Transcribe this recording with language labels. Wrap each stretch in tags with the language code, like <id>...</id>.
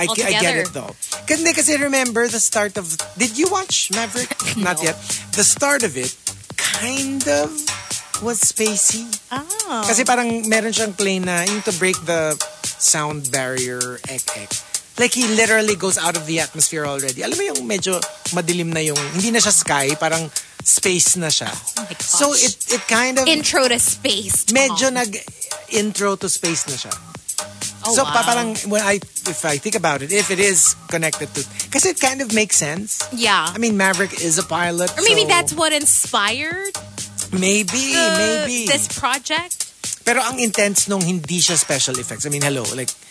<en>I get it, though. Because remember the start of... Did you watch Maverick? No. Not yet. The start of it kind of was spacey. Oh.</en> <tl>Kasi parang meron siyang plane na yung to break the sound barrier.</tl> <en>Like, he literally goes out of the atmosphere already.</en> <tl>Alam mo yung medyo madilim na yung... Hindi na siya sky, parang space na siya.</tl> <en>Oh my gosh. So, it kind of... Intro to space, Tom.</en> <tl>Medyo nag-intro to space na siya.</tl> <en>Oh, so, wow. So, parang, if I think about it, if it is connected to... Because it kind of makes sense. Yeah. I mean, Maverick is a pilot, or maybe so, that's what inspired... Maybe. This project.</en> <tl>Pero ang intense nung hindi siya special effects. I mean, hello, like...</tl>